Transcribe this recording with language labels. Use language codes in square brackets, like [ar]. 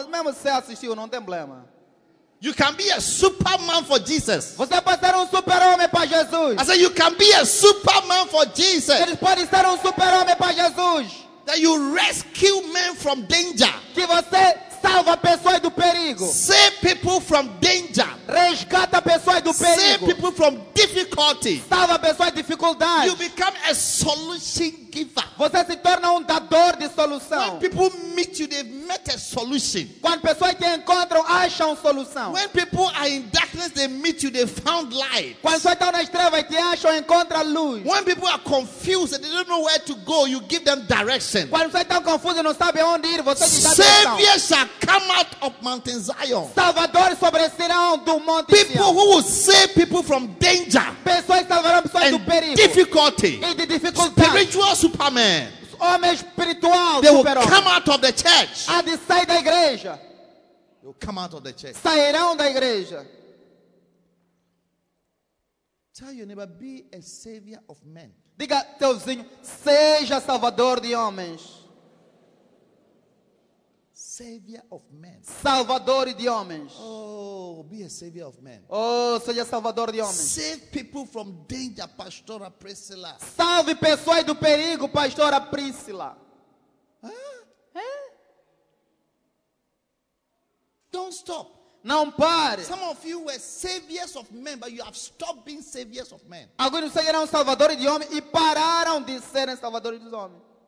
[pt] Mesmo se assistiu, não tem problema. [en] You can be a Superman for Jesus. [pt] Você pode ser Super-Homem para Jesus. [en] I said you can be a Superman for Jesus. [pt] Você pode ser Super-Homem para Jesus. [en] That you rescue men from danger. [pt] Que você salva pessoas do perigo. [en] Save people from danger. [pt] Resgata pessoas do perigo. [en] Save people from difficulty. [pt] Salva pessoas de dificuldade. [en] You become a solution giver. [pt] Você se torna dador de solução. [en] When people meet you, they've met a solution. [pt] Quando pessoas te encontram, acham solução. [en] When people are in darkness, they meet you, they found light. [pt] Quando pessoas estão nas trevas, te acham, encontram luz. [en] When people are confused and they don't know where to go, you give them direction. [pt] Quando pessoas estão confusas e não sabem onde ir, você lhes dá direção. [en] Savior shall come out of Mount Zion. [pt] Salvador sobressairão do Monte Sião. [en] People who will save people from danger. [pt] Pessoas salvarão pessoas [en] and [pt] do perigo. [en] Difficulty. [pt] E de dificuldade. [en] Spiritual Superman. [pt] Homem espiritual, [en] they will come out of the church. [pt] A de sair da igreja. [en] They will come out of the church. [pt] Sairão da igreja. [en] Tell your neighbor, be a savior of men. [pt] Diga teu vizinho, seja salvador de homens. [en] Savior of men. [pt] Salvador de homens. [en] Oh, be a savior of men. [pt] Oh, seja salvador de homens. [en] Save people from danger, Pastora Priscilla. [pt] Salve pessoas do perigo, Pastora Priscilla. [en] Don't stop. [pt] Não pare. [en] Some of you were saviors of men, but you have stopped being saviors of men. [pt] Alguns de vocês eram salvadores de homens e pararam de serem salvadores dos homens.